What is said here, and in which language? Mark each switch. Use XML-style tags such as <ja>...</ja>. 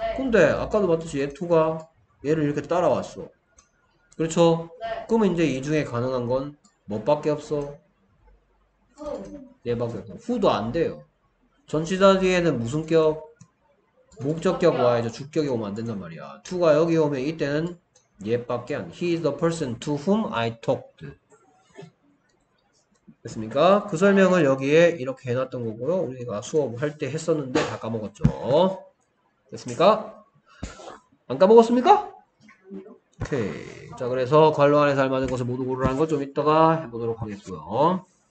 <ko>근데 아까도 봤듯이 얘 2가 얘를 이렇게 따라왔어. 그렇죠? 그러면 이제 이 중에 가능한 건 뭐밖에 없어? 얘밖에 없어. Who도 안 돼요. 전치사 뒤에는 무슨 격? 목적격 와야죠. 주격이 오면 안 된단 말이야. 2가 여기 오면 이때는 얘밖에 안.</ko> <en>He is the person to whom I talked.</en> <ko>됐습니까? 그 설명을 여기에 이렇게 해놨던 거고요. 우리가 수업할 때 했었는데 다 까먹었죠. 됐습니까? 안 까먹었습니까? 오케이. 자, 그래서 관로 안에 잘 맞는 것을 모두 고르라는 것좀 이따가 해보도록 하겠고요.</ko>